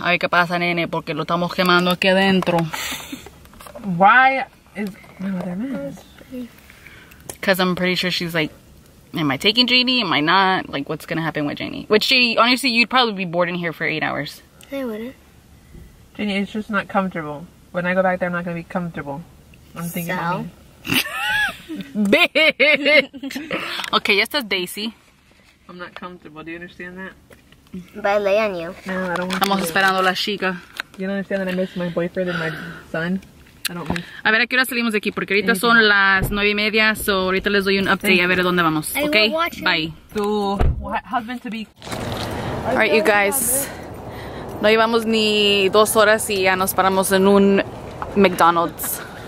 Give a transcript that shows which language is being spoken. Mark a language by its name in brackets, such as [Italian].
[Spanish] A ver qué pasa, nene, porque lo estamos quemando aquí adentro. [English] Why is my mother mad? Because I'm pretty sure she's like, am I taking Janie? Am I not? Like, what's going to happen with Janie? Which, she honestly, you'd probably be bored in here for 8 hours. I wouldn't. Janie, it's just not comfortable. When I go back there, I'm not going to be comfortable. I'm thinking [Spanish] Sal. [English] Bitch! Okay, yes, that's Daisy. I'm not comfortable. Do you understand that? But I lay on you. No, I don't want to. [Spanish] Estamos esperando la chica. [English] You don't understand that I miss my boyfriend and my son? I don't miss. [Spanish] A ver, ¿a qué hora salimos de aquí? Porque ahorita son las 9:30, so ahorita les doy un update. A ver a dónde vamos. Okay? Bye. [English] So, husband to be. Alright, you guys. [Spanish] No llevamos ni 2 horas y ya nos paramos en un McDonald's.